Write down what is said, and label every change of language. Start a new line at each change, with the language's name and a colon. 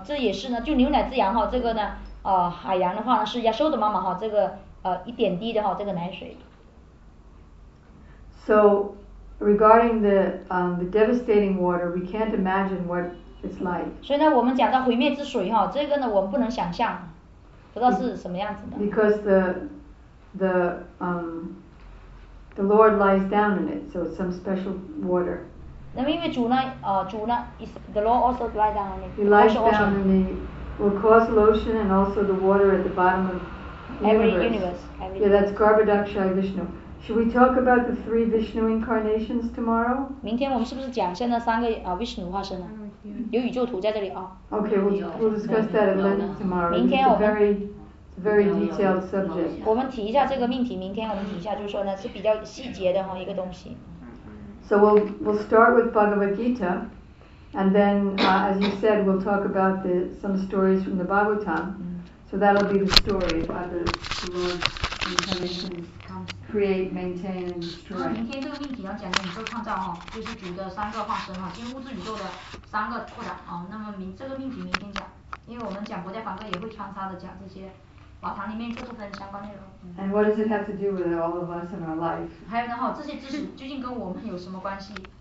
Chinese: 这也是呢，就牛奶之羊哈，这个呢，海洋的话呢，是 Yasoda 妈妈哈，这个一点滴的哈，这个奶水。
English: So regarding the devastating water, we can't imagine what.
Chinese: 所以呢，我们讲到毁灭之水哈，这个呢，我们不能想象，不知道是什么样子的。
English: Because the Lord lies down in it, so it's some special water.
Chinese: 那么因为主呢，主呢
English: ，is the Lord also lies down in it. He lies down in it, will cause the ocean and also the water at the bottom of the universe. Every universe. Yeah, that's Garbhadaksha Vishnu. Should we talk about the three Vishnu incarnations tomorrow?
Chinese: 明天我们是不是讲现在三个Vishnu 化身呢？有宇宙图在这里啊。
English: Okay, we'll discuss that at length tomorrow.
Chinese: 明天我们
English: very detailed subject.
Chinese: 我们提一下这个命题，明天我们提一下，就是说呢，是比较细节的哈一个东西。
English: So we'll start with Bhagavad Gita, and then as you said, we'll talk about some stories from the Bhagavatam. So that'll be the story about the Lord's incarnations, create, maintain, and destroy.
Chinese: 明天这个命题要讲的宇宙创造哈，就是主的三个化身哈，进入物质宇宙的。三个扩展啊、哦，那么这个命题明天讲，因为我们讲佛教法课也会穿插的讲这些，法堂里面各部分相关内容。
English: And what does it have to do with all of us in our life?
Chinese: 还有呢哈，这些知识究竟跟我们有什么关系？